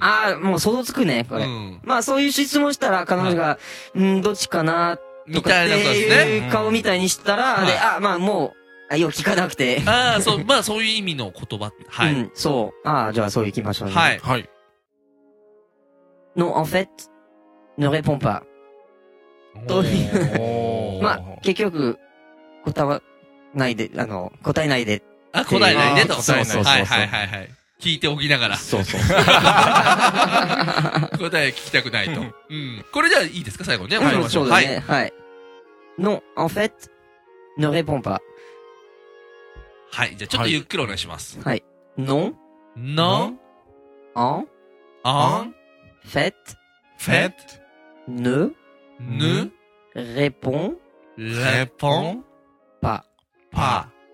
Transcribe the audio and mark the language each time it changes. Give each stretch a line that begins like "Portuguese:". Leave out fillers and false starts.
Japanese: あ、もう想像つくね、これ。うん、まあ、そういう質問したら彼女が、はい、んどっちかなって。みたいなことですね。顔みたいにしたら、うん、で、はい、あ、まあもう、あ、よく聞かなくて。ああ、そう、まあそういう意味の言葉。はい。うん、そう。ああ、じゃあそう行きましょうね。はい。はい。
French: Non, en fait, ne réponds pas.
Japanese: という。まあ、結局、答わないで、答えないで。あ、答えないでと。そうそうそう。はいはいはいはい。聞いておきながら。そうそう。答え聞きたくないと。うん。これじゃあいいですか最後ね。はい。そうですね。はい。はい。
French: Non, en fait, ne réponds pas.
Japanese: はい。じゃあちょっとゆっくりお願いします。はい。
French: Non. Non. En. En. Fait. Fait. Ne. Ne. Réponds. Réponds. Pas. Pas.